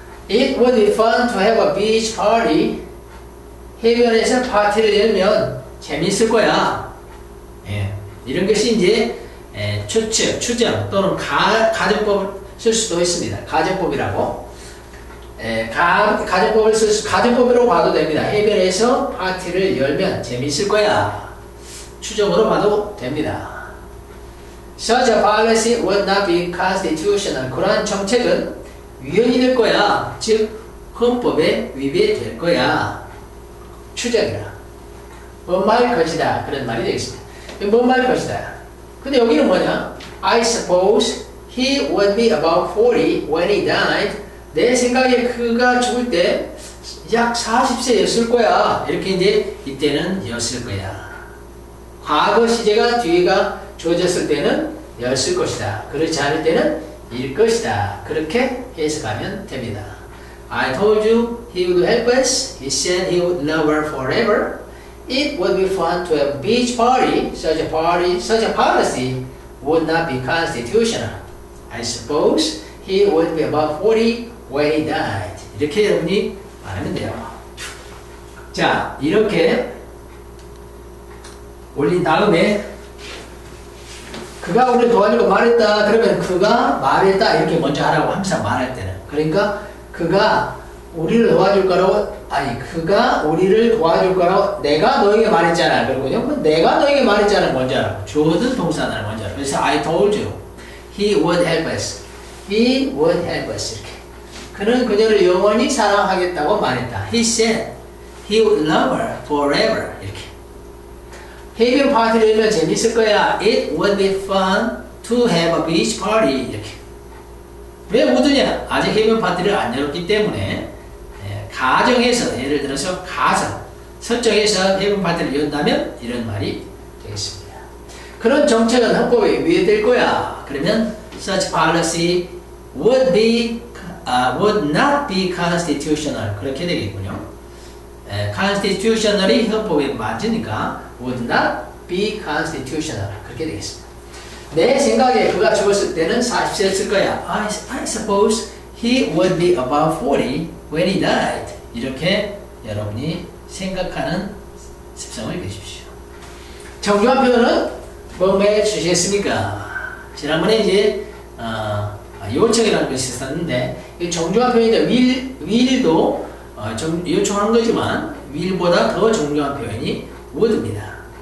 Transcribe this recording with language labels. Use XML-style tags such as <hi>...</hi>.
<en>It would be fun to have a beach party.</en> <ko>해변에서 파티를 열면 재밌을 거야. 예. 이런 것이 이제 추측, 추정 또는 가정법 쓸 수도 있습니다. 가정법이라고. 가정법을 쓸 수, 가정법으로 봐도 됩니다. 해변에서 파티를 열면 재밌을 거야. 추정으로 봐도 됩니다.</ko> <en>Such a policy would not be constitutional.</en> <ko>그러한 정책은 위헌이 될 거야. 즉, 헌법에 위배될 거야. 추정이라. 뭔 말 것이다. 그런 말이 되겠습니다. 뭔 말 것이다. 근데 여기는 뭐냐?</ko> <en>I suppose he would be about 40 when he died.</en> <ko>내 생각에 그가 죽을 때 약 40세였을 거야. 이렇게 이제 이때는 였을 거야. 과거 시제가 뒤에가 주어졌을 때는 였을 것이다. 그렇지 않을 때는 일 것이다. 그렇게 해석하면 됩니다.</ko> <en>I told you he would help us. He said he would love her forever. It would be fun to have a beach party. Such a party, such a policy would not be constitutional. I suppose he would be about 40 when he died.</en> <ko>이렇게 여러분이 말하면 돼요. 자, 이렇게 올린 다음에 그가 우리를 도와주고 말했다. 그러면 그가 말했다. 이렇게 먼저 하라고 항상 말할 때는. 그러니까 그가 우리를 도와줄 거라고 아니 그가 우리를 도와줄 거라고 내가 너에게 말했잖아. 그러고요. 내가 너에게 말했잖아. 뭔지 알아? 주어든 동사나 뭔지 알아? 그래서</ko> <en>I told you. He would help us. He would help us.</en> <ko>이렇게. 그는 그녀를 영원히 사랑하겠다고 말했다.</ko> <en>He said he would love her forever.</en> <ko>이렇게. 해변 파티를 열면 재밌을 거야.</ko> <en>It would be fun to have a beach party.</en> <ko>이렇게. 왜 우드냐? 아직 해변 파티를 안 열었기 때문에 가정에서 예를 들어서 가정 설정에서 해변 파티를 연다면 이런 말이 되겠습니다. 그런 정책은 헌법에 위배될 거야. 그러면</ko> <en>such policy would be would not be constitutional.</en> <ko>그렇게 되겠군요. constitutional이 헌법에 맞으니까</ko> <en>would not be constitutional.</en> <ko>그렇게 되겠습니다. 내 생각에 그가 죽었을 때는 40세였을 거야. I suppose he would be about 40 when he died. 이렇게 여러분이 생각하는 습성을 가지십시오. 정교한 표현은 뭐에 주시겠습니까? 지난번에 이제 요청이라는 것이 있었는데 정교한 표현인데 will도 요청한 거지만 will보다 더 정교한 표현이 would입니다.</ko>